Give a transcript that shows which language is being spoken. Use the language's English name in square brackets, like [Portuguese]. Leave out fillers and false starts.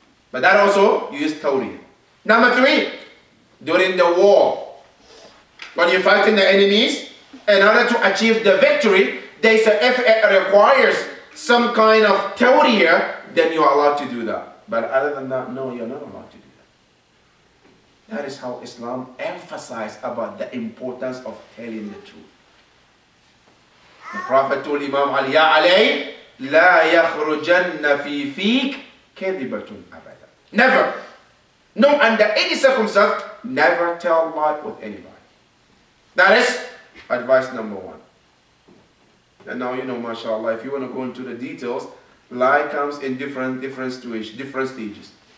[English] But that also, you use tawriyah. Number three. During the war, when you're fighting the enemies, in order to achieve the victory, there's an FA requires some kind of tawriyah, then you're allowed to do that. But other than that, no, you're not allowed to do that. That is how Islam emphasized about the importance of telling the truth. [Arabic] The Prophet told Imam Ali, لَا يَخْرُجَنَّ فِي فِيكْ كَذِبَةٌ أَبَدًا. [English] Never! No, under any circumstance, never tell lie with anybody. That is advice number one. And now you know, mashallah, if you want to go into the details, lie comes in different stages.